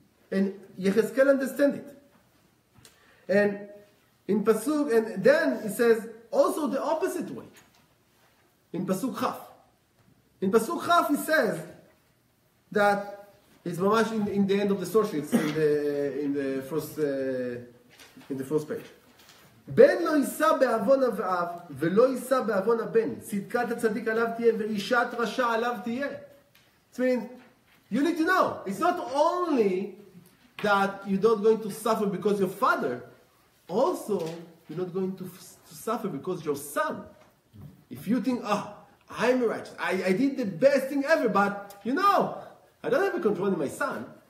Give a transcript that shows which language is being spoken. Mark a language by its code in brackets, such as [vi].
[en] And Yechezkel understand it. And in Pasuk, and then it says also the opposite way. In Pasuk Chaf. In Pasuk Chaf he says that it's mamash in the end of the source, it's in the first page. [he] בן לא יישא באבון אב, ולא יישא באבון הבן. צדקת הצדיק עליו תהיה, ואישת רשע עליו תהיה. [en] It's mean, you need to know. It's not only that you're not going to suffer because your father, also you're not going to suffer because your son. If you think, oh, I'm righteous, I did the best thing ever, but you know, I don't have a control in my son.